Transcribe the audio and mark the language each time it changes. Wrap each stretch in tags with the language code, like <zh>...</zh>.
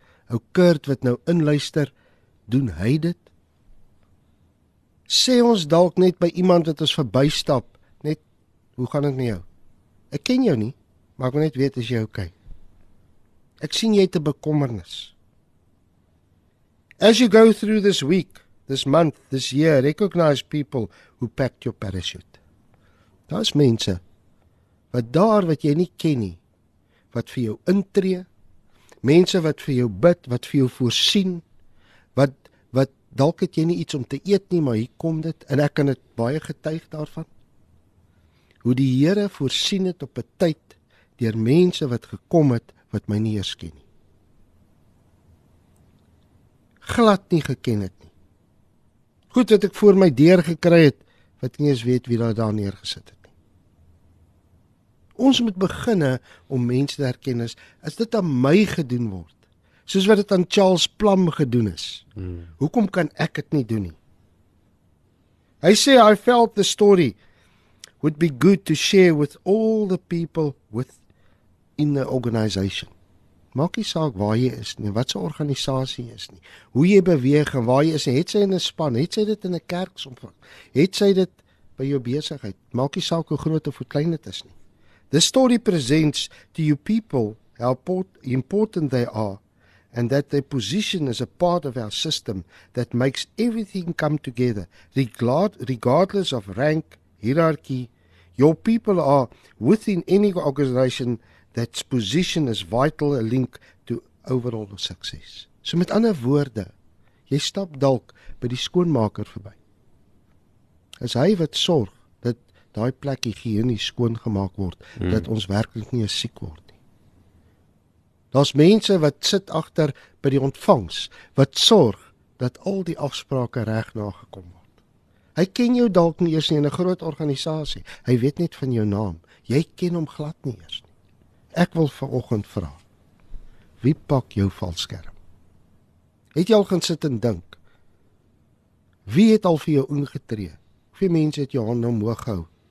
<af>Ou Kurt wat nou inluister, doen hy dit? Sê ons dalk net by iemand wat ons verbystap, net, hoe gaan dit met jou? Ek ken jou nie, Maar ek wil net weet, is jy okay? Ek sien jy het 'n bekommernis.</af> <en>As you go through this week, this month, this year, recognize people who packed your parachute.</en> <af>Daar is mense, wat daar wat jy nie ken nie, wat vir jou intree, mense wat vir jou bid, wat vir jou voorsien, wat dalk het jy nie iets om te eet nie, maar hier kom dit, en ek kan het baie getuig daarvan, hoe die Here voorsien het op 'n tyd, deur mense wat gekom het, wat my nie eers ken nie. Glad nie geken het nie. Goed wat ek voor my deur gekry het, wat nie eens weet wie daar neergesit het. Ons moet beginne om mense te herken as dit aan my gedoen word, soos wat dit aan Charles Plum gedoen is. Hoekom kan ek het nie doen nie? Hy sê,</af> <en>I felt the story would be good to share with all the people with in the organization.</en> <af>Maak nie saak waar jy is nie, wat sy organisasie is nie, hoe jy beweeg en waar jy is nie, het sy in 'n span, het sy dit in 'n kerk omvang, het sy dit by jou besigheid, maak nie saak hoe groot of hoe klein dit is nie.</af> <en>The story presents to you people how important they are and that their position is a part of our system that makes everything come together, regardless of rank, hierarchy. Your people are within any organization that's position is vital, a link to overall success.</en> <af>So met ander woorde, jy stap dalk by die skoonmaker verby. Is hy wat sorg daai plek higiënie skoon gemaak word, dat ons werklik nie siek word nie. Daar's mense wat sit agter by die ontvangs, wat sorg dat al die afsprake reg nagekom word. Hy ken jou dalk nie eers nie in 'n groot organisasie. Hy weet net van jou naam. Jy ken hom glad nie eers nie. Ek wil vanoggend vra, wie pak jou valskerm? Het jy al gaan sit en dink? Wie het al vir jou ingetree? Hoeveel mense het jou hand omhoog gehou?</af>